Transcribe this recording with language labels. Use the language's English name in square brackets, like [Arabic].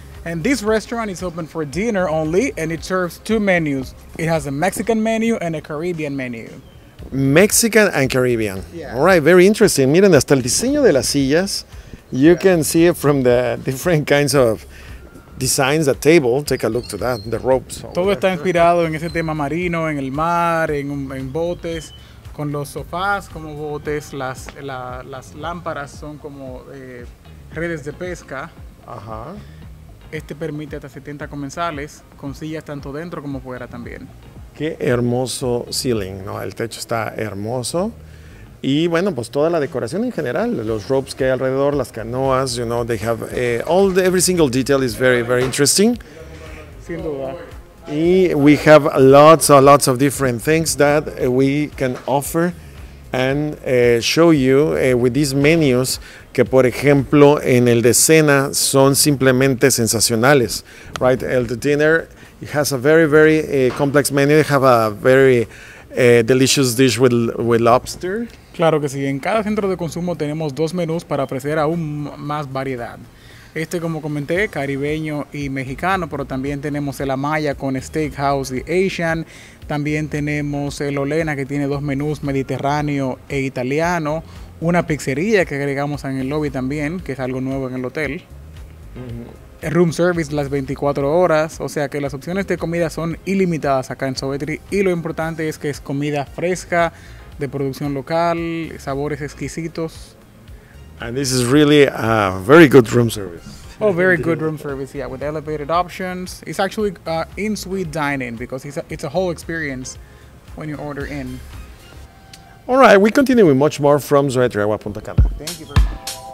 [English] And this restaurant is open for dinner only, and it serves two menus. It has a Mexican menu and a Caribbean menu. Mexican and Caribbean. Yeah. All right, very interesting. [Spanish] Miren, hasta el diseño de las sillas. [English] You can see it from the different kinds of designs the table. Take a look to that, the ropes. [Spanish] Todo está inspirado en ese tema marino, en el mar, en botes, con los sofás como botes, las lámparas son como redes de pesca. Ajá. Este permite hasta 70 comensales, con sillas tanto dentro como fuera también. Qué hermoso ceiling, ¿no? El techo está hermoso. Y bueno, pues toda la decoración en general, los ropes que hay alrededor, las canoas, [English] you know, they have every single detail is very, very interesting. [Spanish] Sin duda. [English] Y we have lots of different things that we can offer and show you with these menus, [Spanish] que por ejemplo en el de cena son simplemente sensacionales, [English] right? El de dinner, it has a very, very complex menu. They have a very delicious dish with lobster. [Spanish] Claro que sí, en cada centro de consumo tenemos dos menús para ofrecer aún más variedad. Este, como comenté, caribeño y mexicano, pero también tenemos el Amaya con Steakhouse y Asian. También tenemos el Olena, que tiene dos menús, mediterráneo e italiano. Una pizzería que agregamos en el lobby también, que es algo nuevo en el hotel. Uh-huh. Room service las 24 horas, o sea que las opciones de comida son ilimitadas acá en Sobetri. Y lo importante es que es comida fresca, de producción local, sabores exquisitos. [English] And this is really a very good room service. Oh, very good room service, yeah, with elevated options. It's actually in-suite dining because it's a whole experience when you order in. All right, we continue with much more from Zoe Triagua Punta Cana. Thank you very much.